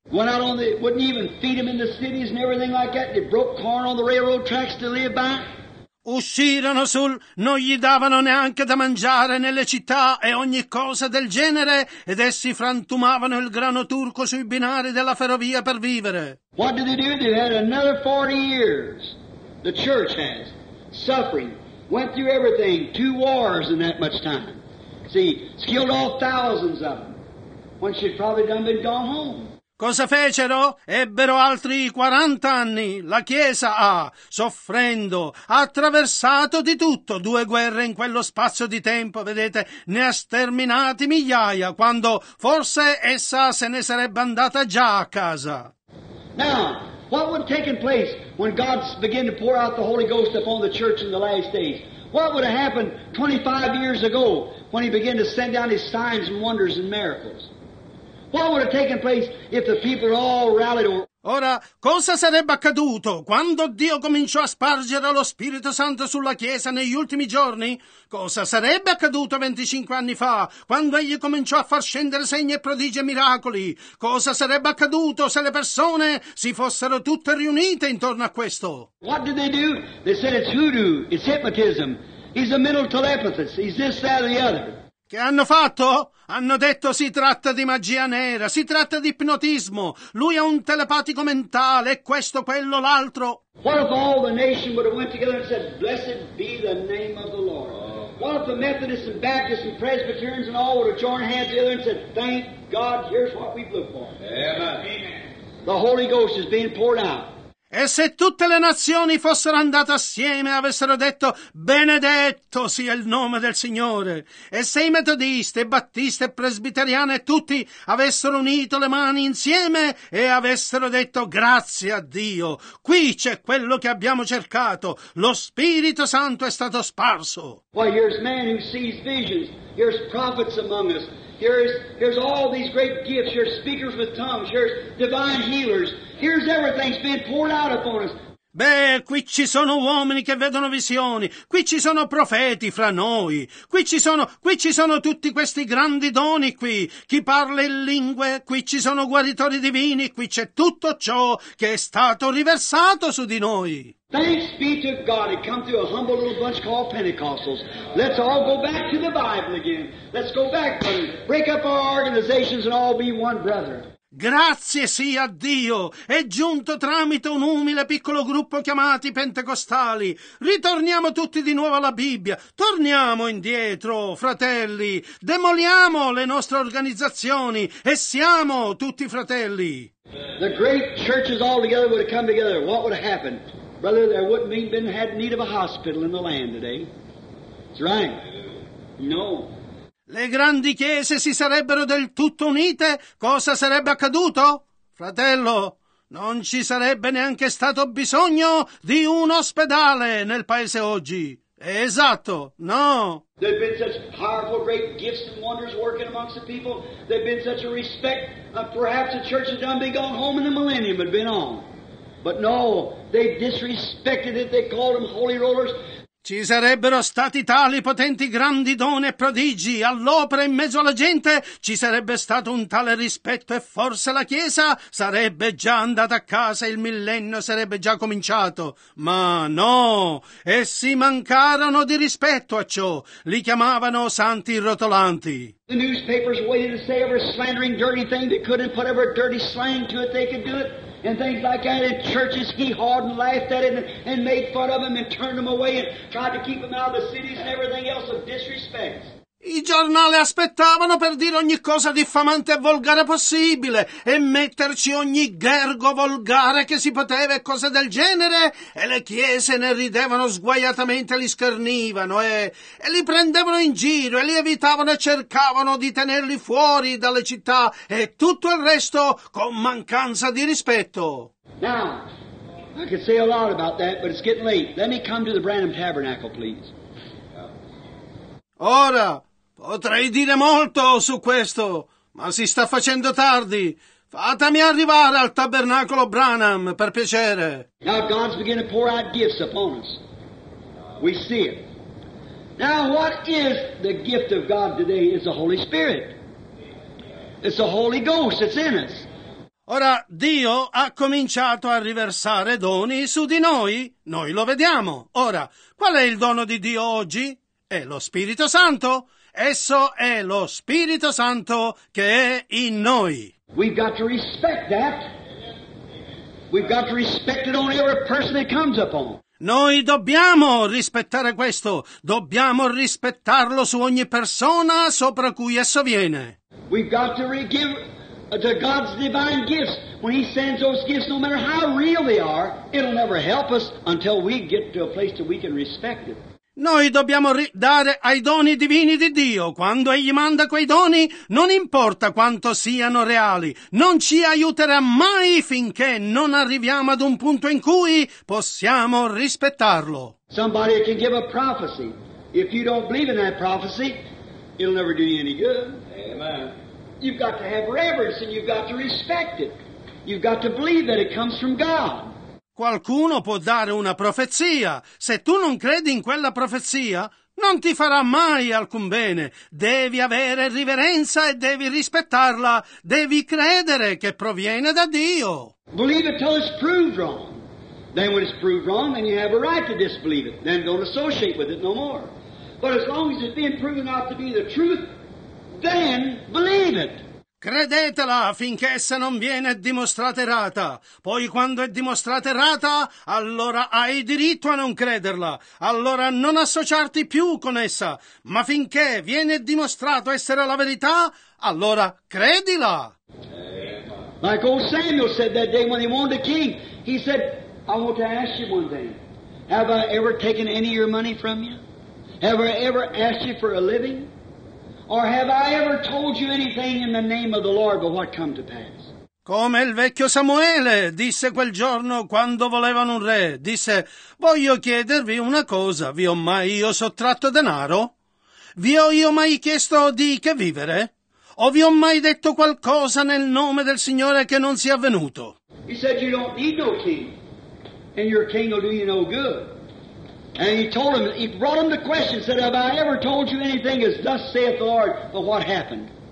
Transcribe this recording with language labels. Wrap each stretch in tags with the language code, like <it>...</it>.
<en>Went out on the, wouldn't even feed them in the cities and everything like that. They broke corn on the railroad tracks to live by.</en> <it>Uscirono sul, non gli davano neanche da mangiare nelle città e ogni cosa del genere, ed essi frantumavano il grano turco sui binari della ferrovia per vivere.</it> <en>What did they do? They had another 40 years, the church has, suffering, went through everything, two wars in that much time. See, killed all thousands of them, when she'd probably done been gone home.</en> <it>Cosa fecero? Ebbero altri 40 anni. La Chiesa ha, soffrendo, attraversato di tutto. Due guerre in quello spazio di tempo, vedete, ne ha sterminati migliaia, quando forse essa se ne sarebbe andata già a casa.</it> <en>Now, what would have taken place when God began to pour out the Holy Ghost upon the church in the last days? What would have happened 25 years ago when he began to send down his signs and wonders and miracles? What would have taken place if the people all rallied?</en> <it>Ora, cosa sarebbe accaduto quando Dio cominciò a spargere lo Spirito Santo sulla Chiesa negli ultimi giorni? Cosa sarebbe accaduto 25 anni fa, quando egli cominciò a far scendere segni e prodigi e miracoli? Cosa sarebbe accaduto se le persone si fossero tutte riunite intorno a questo?</it> <en>What did they do? They said it's hoodoo, it's hypnotism, he's a mental telepathist, he's this, that, or the other.</en> <it>Che hanno fatto? Hanno detto si tratta di magia nera, si tratta di ipnotismo. Lui è un telepatico mentale, è questo, quello, l'altro.</it> <en>What if all the nation would have went together and said, blessed be the name of the Lord? What if the Methodists and Baptists and Presbyterians and all would have joined hands together and said, thank God, here's what we've looked for. Amen. The Holy Ghost is being poured out.</en> <it>E se tutte le nazioni fossero andate assieme e avessero detto benedetto sia il nome del Signore, e se i metodisti, i battisti, i presbiteriani e tutti avessero unito le mani insieme e avessero detto grazie a Dio, qui c'è quello che abbiamo cercato, lo Spirito Santo è stato sparso.</it> <en>Why, here's man who sees visions, here's prophets among us, here's all these great gifts, here's speakers with tongues, here's divine healers. Here's everything's been poured out upon us.</en> <it>Beh, qui ci sono uomini che vedono visioni, qui ci sono profeti fra noi, qui ci sono tutti questi grandi doni qui, chi parla in lingue, qui ci sono guaritori divini, qui c'è tutto ciò che è stato riversato su di noi.</it> <en>Thanks be to God, it come through a humble little bunch called Pentecostals. Let's all go back to the Bible again. Let's go back, buddy. Break up our organizations and all be one brother.</en> <it>Grazie sia a Dio, è giunto tramite un umile piccolo gruppo chiamati pentecostali. Ritorniamo tutti di nuovo alla Bibbia, torniamo indietro, fratelli, demoliamo le nostre organizzazioni e siamo tutti fratelli.</it> <en>The great churches all together would have come together. What would have happened? Brother, there wouldn't have been had need of a hospital in the land today. That's right. No.</en> <it>Le grandi chiese si sarebbero del tutto unite, cosa sarebbe accaduto? Fratello, non ci sarebbe neanche stato bisogno di un ospedale nel paese oggi. Esatto, no.</it> <en>There have been such powerful great gifts and wonders working amongst the people. There have been such a respect of perhaps the church had done been gone home in the millennium had been on. But no, they disrespected it, they called them holy rollers.</en> <it>Ci sarebbero stati tali potenti grandi doni e prodigi all'opera in mezzo alla gente, ci sarebbe stato un tale rispetto e forse la Chiesa sarebbe già andata a casa, il millennio sarebbe già cominciato. Ma no, essi mancarono di rispetto a ciò, li chiamavano santi rotolanti.</it> <en>The newspapers waited to say every slandering dirty thing they could and put every dirty slang to it they could do it. And things like that, and churches hee-hawed and laughed at him and made fun of him and turned him away and tried to keep him out of the cities and everything else of disrespect.</en> <it>I giornali aspettavano per dire ogni cosa diffamante e volgare possibile e metterci ogni gergo volgare che si poteva e cose del genere, e le chiese ne ridevano sguaiatamente, li schernivano e li prendevano in giro e li evitavano e cercavano di tenerli fuori dalle città e tutto il resto con mancanza di rispetto.</it> <en>Now, I could say a lot about that, but it's getting late. Let me come to the Branham Tabernacle, please.</en> <it>Ora, potrei dire molto su questo, ma si sta facendo tardi. Fatemi arrivare al tabernacolo Branham, per piacere.</it> <en>Now God's beginning to pour out gifts upon us. We see it. Now what is the gift of God today? It's the Holy Spirit. It's the Holy Ghost that's in us.</en> <it>Ora Dio ha cominciato a riversare doni su di noi. Noi lo vediamo. Ora, qual è il dono di Dio oggi? È lo Spirito Santo. Esso è lo Spirito Santo che è in noi.</it> <en>We've got to respect that. We've got to respect it on every person that comes upon.</en> <it>Noi dobbiamo rispettare questo. Dobbiamo rispettarlo su ogni persona sopra cui esso viene.</it> <en>We've got to give to God's divine gifts. When He sends those gifts, no matter how real they are, it'll never help us until we get to a place that we can respect it.</en> <it>Noi dobbiamo dare ai doni divini di Dio. Quando Egli manda quei doni, non importa quanto siano reali, non ci aiuterà mai finché non arriviamo ad un punto in cui possiamo rispettarlo.</it> <en>Somebody can give a prophecy. If you don't believe in that prophecy, it'll never do you any good. Amen. You've got to have reverence and you've got to respect it. You've got to believe that it comes from God.</en> <it>Qualcuno può dare una profezia. Se tu non credi in quella profezia, non ti farà mai alcun bene. Devi avere riverenza e devi rispettarla. Devi credere che proviene da Dio.</it> <en>Believe it till it's proved wrong. Then when it's proved wrong, then you have a right to disbelieve it. Then don't associate with it no more. But as long as it's being proven out to be the truth, then believe it.</en> <it>Credetela finché essa non viene dimostrata errata. Poi quando è dimostrata errata, allora hai diritto a non crederla. Allora non associarti più con essa. Ma finché viene dimostrato essere la verità, allora credila.</it> <en>Like old Samuel said that day when he won the king. He said, I want to ask you one thing. Have I ever taken any of your money from you? Have I ever asked you for a living? Or have I ever told you anything in the name of the Lord but what come to pass?</en> <it>Come il vecchio Samuele disse quel giorno quando volevano un re, disse: voglio chiedervi una cosa, vi ho mai io sottratto denaro? Vi ho io mai chiesto di che vivere? O vi ho mai detto qualcosa nel nome del Signore che non sia avvenuto?</it> <en>He said you don't need no king, and your king will do you no good. And he told him, he brought him the question, said, have I ever told you anything as thus saith the Lord, of what happened?</en>